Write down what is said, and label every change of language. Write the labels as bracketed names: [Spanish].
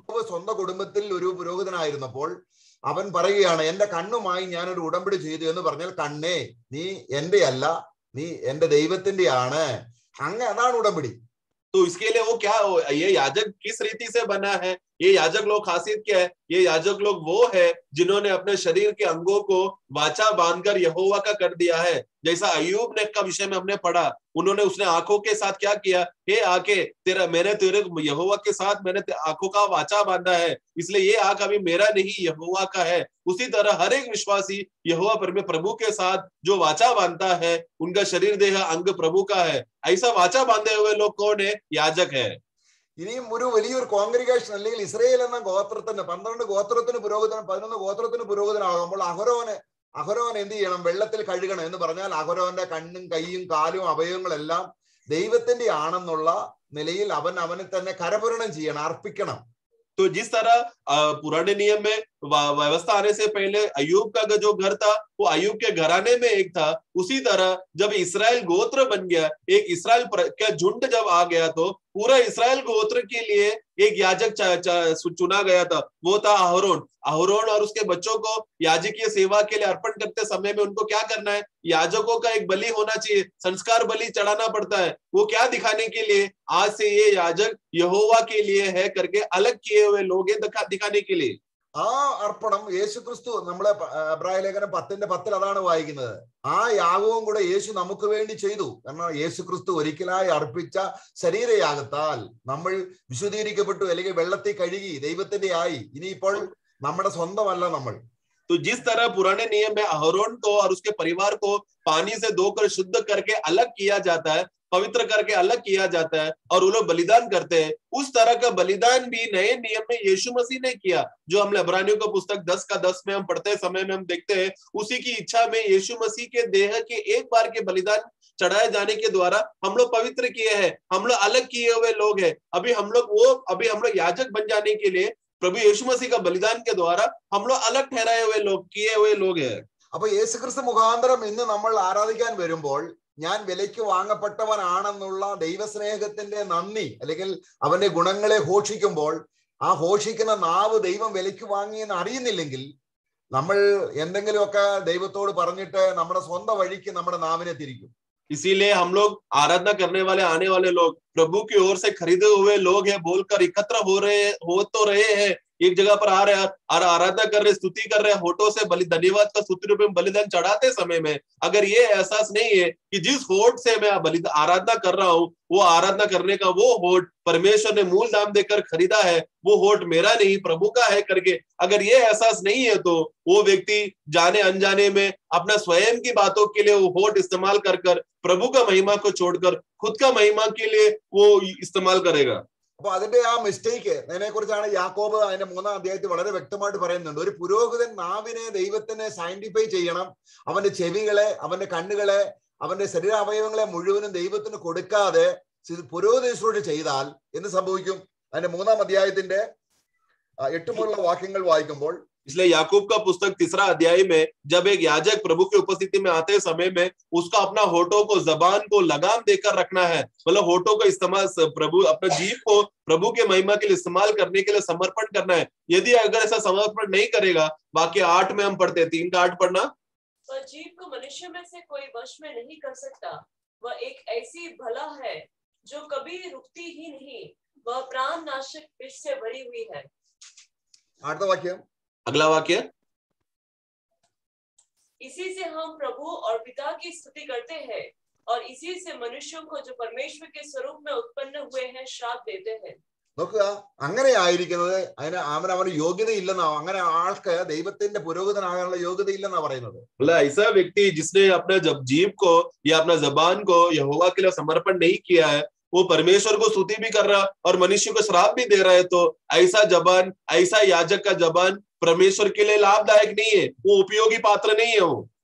[Malayalam] സ്വന്ത കുടുംബത്തിൽ ഒരു പുരോഹിതനായിരുന്നപ്പോൾ അവൻ പറയുകയാണ്, എന്റെ കണ്ണുമായി ഞാനൊരു ഉടമ്പടി ചെയ്തു എന്ന് പറഞ്ഞാൽ, കണ്ണേ നീ എന്റെ അല്ല, നീ എന്റെ ദൈവത്തിന്റെ ആണ്, അങ്ങ് അതാണ് ഉടമ്പടി। [Hindi] तो इसके लिए वो क्या हो, ये याजक किस रीति से बना है, ये याजक लोग खासियत क्या है, ये याजक लोग वो है जिन्होंने अपने शरीर के अंगों को वाचा बांधकर यहोवा का कर दिया है। जैसा अय्यूब ने का विषय में हमने पढ़ा, उन्होंने उसने आंखों के साथ क्या किया, हे आंखें तेरा, मैंने तेरे यहोवा के साथ मैंने आंखों का वाचा बांधा है, इसलिए ये आंख अभी मेरा नहीं यहोवा का है। उसी तरह हर एक विश्वासी यहोवा प्रभु के साथ जो वाचा बांधता है, उनका शरीर देह अंग प्रभु का है। ऐसा वाचा बांधे हुए लोग कौन है, याजक है। [Malayalam] ഇനിയും ഒരു വലിയൊരു കോൺഗ്രിഗേഷൻ അല്ലെങ്കിൽ ഇസ്രയേൽ എന്ന ഗോത്രത്തിന് 12 ഗോത്രത്തിന് പുരോഹിതൻ, 11 ഗോത്രത്തിന് പുരോഹിതനാകുമ്പോൾ അഹരോൻ എന്ത് ചെയ്യണം, വെള്ളത്തിൽ കഴുകണം എന്ന് പറഞ്ഞാൽ അഹരോന്റെ കണ്ണും കൈയും കാലും അവയവങ്ങളെല്ലാം ദൈവത്തിന്റെ ആണെന്നുള്ള നിലയിൽ അവൻ അവനെ തന്നെ കരപൂരണം ചെയ്യണം, അർപ്പിക്കണം। [Hindi] तो जिस तरह पुराने नियम में व्यवस्था आने से पहले अय्यूब का जो घर था वो अय्यूब के घराने में एक था, उसी तरह जब इसराइल गोत्र बन गया, एक इसराइल का झुंड जब आ गया, तो पूरा इसराइल गोत्र के लिए एक याजक चुना गया था, वो था अहरोन। अहरोन और उसके बच्चों को याजकीय सेवा के लिए अर्पण करते समय में उनको क्या करना है, याजकों का एक बलि होना चाहिए, संस्कार बलि चढ़ाना पड़ता है, वो क्या दिखाने के लिए, आज से ये याजक यहोवा के लिए है करके अलग किए हुए लोग दिखाने के लिए। [Malayalam] ആ അർപ്പണം യേശുക്രിസ്തു നമ്മളെ എബ്രായ ലേഖനം 10:10 അതാണ് വായിക്കുന്നത്. ആ യാഗവും കൂടെ യേശു നമുക്ക് വേണ്ടി ചെയ്തു. കാരണം യേശുക്രിസ്തു ഒരിക്കലായി അർപ്പിച്ച ശരീരയാഗത്താൽ നമ്മൾ വിശുദ്ധീകരിക്കപ്പെട്ടു, അല്ലെങ്കിൽ വെള്ളത്തിൽ കഴുകി ദൈവത്തിന്റെ ആയി. ഇനിയിപ്പോൾ നമ്മുടെ സ്വന്തമല്ല നമ്മൾ. [Hindi] तो जिस तरह पुराने नियम में अहरोन को और उसके परिवार को पानी से धोकर शुद्ध करके अलग किया जाता है, पवित्र करके अलग किया जाता है और वो लोग बलिदान करते हैं, उस तरह का बलिदान भी नए नियम में यीशु मसीह ने किया. जो हम इब्रानियों का पुस्तक 10:10 में हम पढ़ते समय में हम देखते हैं, उसी की इच्छा में यीशु मसीह के देह के एक बार के बलिदान चढ़ाए जाने के द्वारा हम लोग पवित्र किए हैं, हम लोग अलग किए हुए लोग हैं. अभी हम लोग याजक बन जाने के लिए प्रभु यीशु मसीह का बलिदान के द्वारा हम लोग अलग ठहराए हुए लोग किए हुए लोग हैं. [Malayalam] അപ്പൊ യേശു ക്രിസ്തു മുഖാന്തരം ഇന്ന് നമ്മൾ ആരാധിക്കാൻ വരുമ്പോൾ ഞാൻ വിലയ്ക്ക് വാങ്ങപ്പെട്ടവനാണെന്നുള്ള ദൈവസ്നേഹത്തിന്റെ നന്ദി, അല്ലെങ്കിൽ അവന്റെ ഗുണങ്ങളെ ഘോഷിക്കുമ്പോൾ ആ ഘോഷിക്കുന്ന നാവ് ദൈവം വിലയ്ക്ക് വാങ്ങിയെന്ന് അറിയുന്നില്ലെങ്കിൽ നമ്മൾ എന്തെങ്കിലുമൊക്കെ ദൈവത്തോട് പറഞ്ഞിട്ട് നമ്മുടെ സ്വന്തം വഴിക്ക് നമ്മുടെ നാവിനെ തിരിക്കും. [Hindi] इसीलिए हम लोग आराधना करने वाले आने वाले लोग प्रभु की ओर से खरीदे हुए लोग हैं बोलकर एकत्र हो तो रहे हैं, एक जगह पर आ रहे हैं और आराधना कर रहे, स्तुति कर रहे हैं, होठों से धन्यवाद का स्तुति रूप में बलिदान चढ़ाते समय में, अगर ये एहसास नहीं है कि जिस होठ से मैं बलिदान आराधना कर रहा हूँ वो आराधना करने का वो होठ परमेश्वर ने मूल दाम देकर खरीदा है, वो होठ मेरा नहीं प्रभु का है करके, अगर ये एहसास नहीं है तो वो व्यक्ति जाने अनजाने में अपने स्वयं की बातों के लिए वो होठ इस्तेमाल कर प्रभु का महिमा को छोड़कर खुद का महिमा के लिए वो इस्तेमाल करेगा. [Malayalam] അപ്പൊ അതിന്റെ ആ മിസ്റ്റേക്ക് അതിനെ കുറിച്ചാണ് യാക്കോബ് അതിന്റെ 3-ാം അധ്യായത്തിൽ വളരെ വ്യക്തമായിട്ട് പറയുന്നുണ്ട്. ഒരു പുരോഹിതൻ നാവിനെ ദൈവത്തിനെ സയന്റിഫൈ ചെയ്യണം, അവന്റെ ചെവികളെ അവന്റെ കണ്ണുകളെ അവന്റെ ശരീര അവയവങ്ങളെ മുഴുവനും ദൈവത്തിന് കൊടുക്കാതെ പുരോഹിതനോട് ചെയ്താൽ എന്ത് സംഭവിക്കും? അതിന്റെ 3-ാം അധ്യായത്തിന്റെ 8 വാക്യങ്ങൾ വായിക്കുമ്പോൾ [Hindi] इसलिए याकूब का पुस्तक [Malayalam] 3-ാം അധ്യായം [Hindi] में जब एक याजक प्रभु की उपस्थिति में आते समय में उसका अपना होठों को जबान को लगाम देकर रखना है, मतलब होठों का इस्तेमाल प्रभु अपने जीभ को प्रभु के महिमा के लिए इस्तेमाल करने के लिए समर्पण करना है. यदि अगर ऐसा समर्पण नहीं करेगा, बाकी 8 में हम पढ़ते हैं, 3-8 पढ़ना, पर जीभ को मनुष्य में से कोई वश में नहीं कर सकता, वह एक ऐसी भला है जो कभी रुकती ही नहीं, वह प्राण नाशक विष से भरी हुई है. 8-ा वाक्य, अगला वाक्य, इसी से हम प्रभु और पिता की स्तुति करते हैं और इसी से मनुष्यों को जो परमेश्वर के स्वरूप में उत्पन्न हुए हैं श्राप देते हैं. [Malayalam] നോക്കുക, അങ്ങനെ ആയിരിക്കുന്നത് അതിന് അവന് യോഗ്യതയില്ലെന്നാ, അങ്ങനെ ആൾക്ക് ദൈവത്തിന്റെ പുരോഹിതനാകാനുള്ള യോഗ്യത ഇല്ലെന്നാ പറയുന്നത്. [Hindi] അല്ല, ഐസ വ്യക്തി ജിസ്നെ അപ്ന ജീവ് കോ യാ അപ്ന ജബാൻ കോ യഹോവാ കേ ലിയേ സമർപ്പൺ നഹി കിയാ ഹൈ, वो परमेश्वर को स्तुति भी कर रहा और मनुष्य को श्राप भी दे रहा है, तो ऐसा जबान, ऐसा याजक का जबान परमेश्वर के लिए लाभदायक नहीं है, वो उपयोगी पात्र नहीं है वो.